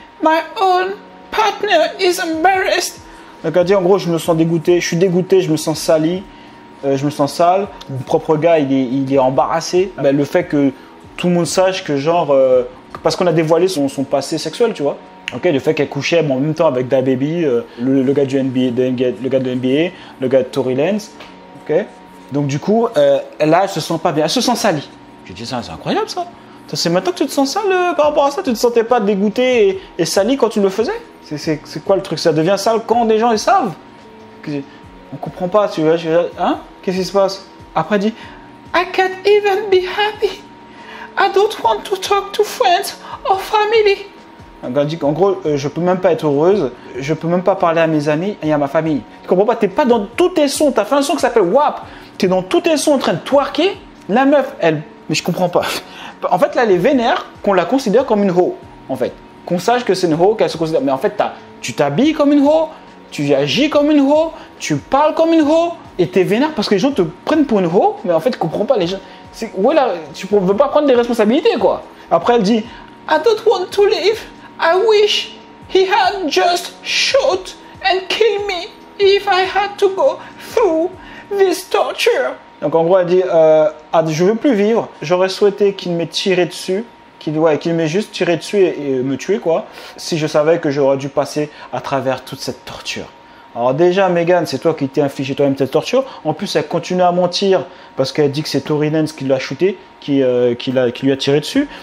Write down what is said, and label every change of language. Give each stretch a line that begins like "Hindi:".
English: My own partner is embarrassed.
French: Donc elle dit en gros, je me sens dégoûté. Je suis dégoûté, je me sens sali. Je me sens sale. Mon propre gars, il est embarrassé. Ben, le fait que tout le monde sache que genre... parce qu'on a dévoilé son passé sexuel, tu vois. Ok, le fait qu'elle couchait bon, en même temps avec DaBaby, le gars du NBA, le gars de Tory Lanez. Ok. Donc du coup, là, elle se sent pas bien. Elle se sent sali. Je dis ça, c'est incroyable ça. C'est maintenant que tu te sens sale par rapport à ça. Tu te sentais pas dégoûté et sali quand tu le faisais? C'est quoi le truc? Ça devient sale quand des gens le savent? On comprend pas, tu vois. Hein? Qu'est-ce qui se passe? Après, elle dit
English: I can't even be happy. I don't want to talk to friends or family.
French: Donc, elle dit qu'en gros, je peux même pas être heureuse. Je peux même pas parler à mes amis et à ma famille. Tu comprends pas? T'es pas dans tous tes sons. T'as fait un son qui s'appelle WAP. tu es dans tous tes sons en train de twerker. La meuf, elle, mais je comprends pas. En fait, là, elle est vénère qu'on la considère comme une hoe, en fait. Qu'on sache que c'est une hoe, qu'elle se considère. Mais en fait, tu t'habilles comme une hoe, tu agis comme une hoe, tu parles comme une hoe, et t'es vénère parce que les gens te prennent pour une hoe, mais en fait, tu comprends pas les gens. C'est, ouais, là, tu veux pas prendre des responsabilités, quoi. Après, elle dit,
English: I don't want to live. I wish he had just shot and killed me if I had to go through this torture.
French: Donc en gros, elle dit, je veux plus vivre. J'aurais souhaité qu'il m'ait tiré dessus, qu'il m'ait juste tiré dessus et me tuer, quoi, si je savais que j'aurais dû passer à travers toute cette torture. Alors déjà, Megan, c'est toi qui t'es infligé toi-même cette torture. En plus, elle continue à mentir parce qu'elle dit que c'est Tory Lanez qui l'a shooté, qui lui a tiré dessus.